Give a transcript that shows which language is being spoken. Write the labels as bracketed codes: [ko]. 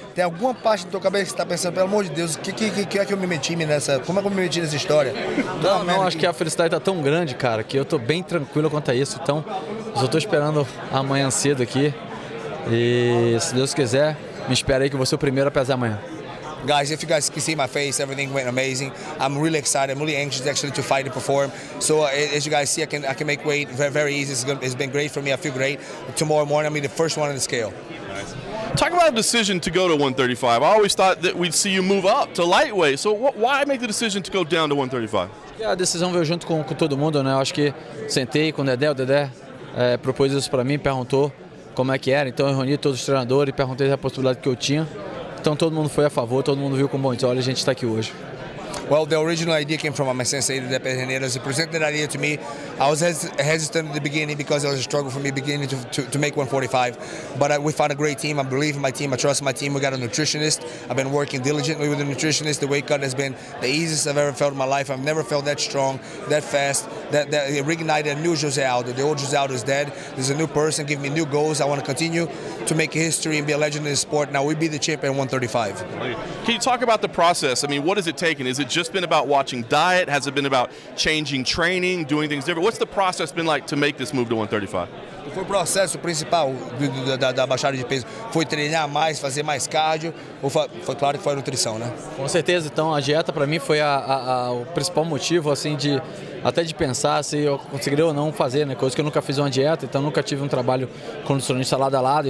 [pt] Tem alguma parte da tua cabeça que está pensando, pelo amor de Deus, que é que eu me meti nessa? Como é que eu me meti nessa história? Não, acho que a felicidade está tão grande, cara, que eu estou bem tranquilo quanto a isso. Então, eu só estou esperando amanhã cedo aqui. E se Deus quiser, me espera aí que eu vou ser o primeiro a pesar amanhã. [en] Guys, if you guys can see my face, everything went amazing. I'm really excited. I'm really anxious, actually, to fight and perform. So, as you guys see, I can make weight very, very easy. It's been great for me. I feel great. Tomorrow morning, I'll be the first one on the scale. Nice. Talk about a decision to go to 135. I always thought that we'd see you move up to lightweight. So, why make the decision to go down to 135? [pt] Yeah, a decisão veio junto com todo mundo, né? Eu acho que sentei com o Dedé propôs isso para mim, perguntou como é que era. Então, eu reuni todos os treinadores e perguntei a possibilidade que eu tinha. Então todo mundo foi a favor, todo mundo viu com bons olhos, a gente está aqui hoje. [en] Well, the original idea came from my sensei, the Pedreneiros. He presented that idea to me. I was hesitant at the beginning because it was a struggle for me beginning to make 145. But we found a great team. I believe in my team. I trust my team. We got a nutritionist. I've been working diligently with the nutritionist. The weight cut has been the easiest I've ever felt in my life. I've never felt that strong, that fast. That it reignited a new Jose Aldo. The old Jose Aldo is dead. There's a new person giving me new goals. I want to continue to make history and be a legend in the sport. Now we be the champion at 135. Can you talk about the process? I mean, what is it taking? Is it just been about watching diet? Has it been about changing training, doing things different? What's the process been like to make this move to 135? [pt] Foi o processo principal da baixada de peso. Foi treinar mais, fazer mais cardio. Ou foi claro que foi a nutrição, né? Com certeza. Então, a dieta para mim foi o principal motivo, assim, de até de pensar se eu conseguiria ou não fazer, né? Coisa que eu nunca fiz uma dieta, então nunca tive um trabalho com nutricionista lado a lado.